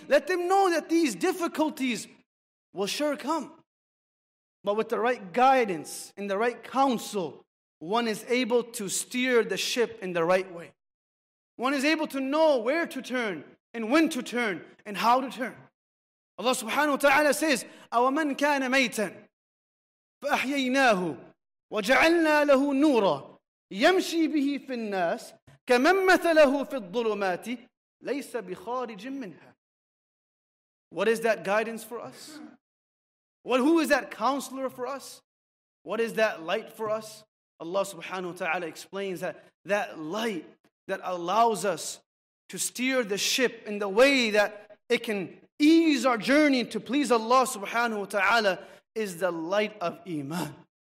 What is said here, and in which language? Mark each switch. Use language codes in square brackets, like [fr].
[en] Let them know that these difficulties will sure come. But with the right guidance and the right counsel, one is able to steer the ship in the right way. One is able to know where to turn and when to turn and how to turn. Allah subhanahu wa ta'ala says, [ar] أَوَمَنْ كَانَ مَيْتًا فَأَحْيَيْنَاهُ وَجَعَلْنَا لَهُ نُورًا يَمْشِي بِهِ فِي النَّاسِ كَمَنْ مَثَلَهُ فِي الظُّلُمَاتِ لَيْسَ بِخَارِجٍ مِّنْهَا. [en] What is that guidance for us? Well, who is that counselor for us? What is that light for us? Allah subhanahu wa ta'ala explains that that light that allows us to steer the ship in the way that it can ease our journey to please Allah subhanahu wa ta'ala is the light of Iman.